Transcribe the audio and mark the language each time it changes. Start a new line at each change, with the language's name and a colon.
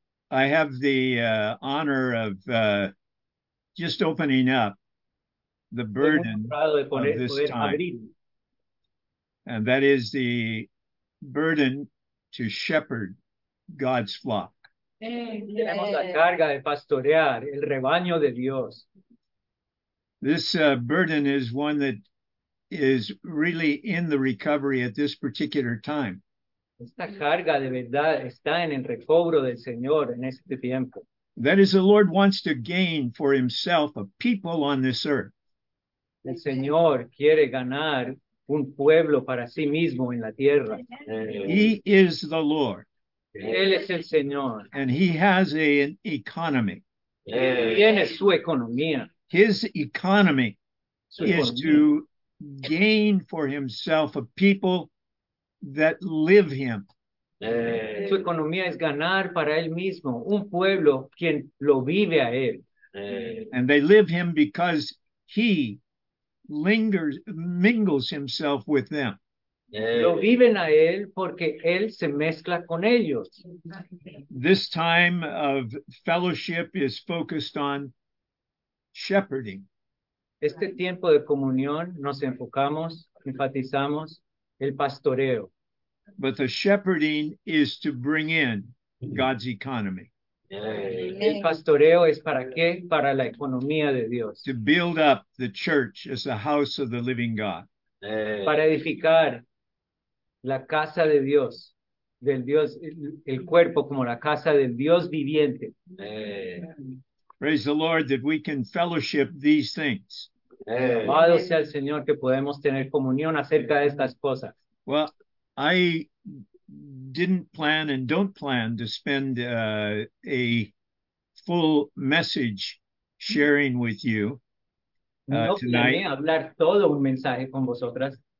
English: I have the honor of just opening up the burden of this
Spanish: Poder
English: time.
Spanish: abrir.
English: And that is the burden to shepherd God's flock.
Spanish: Tenemos la carga de pastorear el rebaño de Dios.
English: This burden is one that is really in the recovery at this particular time.
Spanish: Esta carga de verdad está en el recobro del Señor en este tiempo.
English: That is, the Lord wants to gain for himself a people on this earth.
Spanish: El Señor quiere ganar un pueblo para sí mismo en la tierra.
English: He is the Lord.
Spanish: Él es el Señor.
English: And he has an economy.
Spanish: Tiene su economía.
English: His economy
Spanish: Su
English: is
Spanish: economía.
English: to gain for himself a people that live him.
Spanish: Su economía es ganar para él mismo un pueblo quien lo vive a él.
English: And they live him because he lingers, mingles himself with them.
Spanish: Lo viven a él porque él se mezcla con ellos.
English: This time of fellowship is focused on shepherding.
Spanish: Este tiempo de comunión nos enfocamos, enfatizamos el pastoreo.
English: But the shepherding is to bring in God's economy.
Spanish: El pastoreo es para qué? Para la economía de
English: To
Spanish: Dios.
English: build up the church as the house of the living God.
Spanish: Para edificar la casa de Dios, del Dios, el cuerpo como la casa del Dios viviente.
English: Praise the Lord that we can fellowship these things.
Spanish: Alabado sea el Señor que podemos tener comunión acerca de estas cosas.
English: Well, I didn't plan and don't plan to spend a full message sharing with you
Spanish: No planeé
English: tonight.
Spanish: hablar todo un mensaje con vosotras.